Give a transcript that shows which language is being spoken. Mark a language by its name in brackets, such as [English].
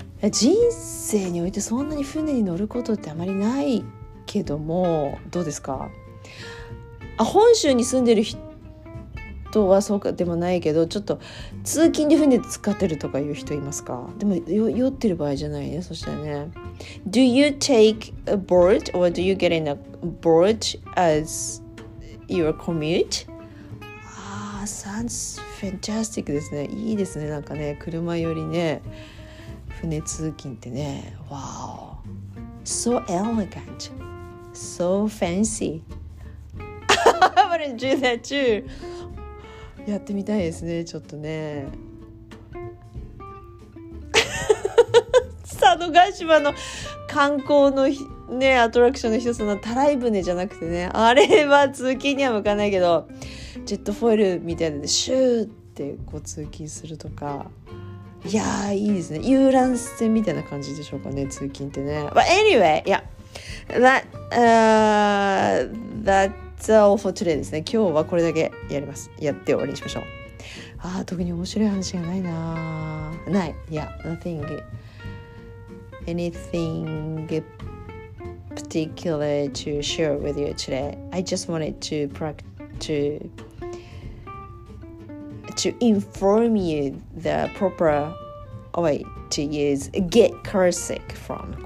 [Japanese] 人生においてそんなに船に乗ることってあまりないけども、どうですか？あ、本州に住んでる人はそうかでもないけど、ちょっと通勤で船使ってるとかいう人いますか？でも酔ってる場合じゃないね、そしたらね。 [English] Do you take a boat or do you get in a boat as your commute? Sounds fantastic [Japanese] ですね。いいですね、なんかね、車よりね船通勤ってね。 [English] Wow, so elegant, so fancy. I wanna do that too. [Japanese] やってみたいですね、ちょっとね。佐渡島の観光のね、アトラクションの一つのタライ船じゃなくてね、あれは通勤には向かないけど、ジェットフォイルみたいなでシューってこう通勤するとか、いやー、いいですね。遊覧船みたいな感じでしょうかね、通勤ってね。 [English] But anyway, yeah, that's all for today [Japanese] ですね。今日はこれだけやります。やって終わりにしましょう。あー、特に面白い話がないなー。ない。 [English] Yeah, nothing. Anything particular to share with you today. I just wanted to practice to inform you the proper way to use get car sick from.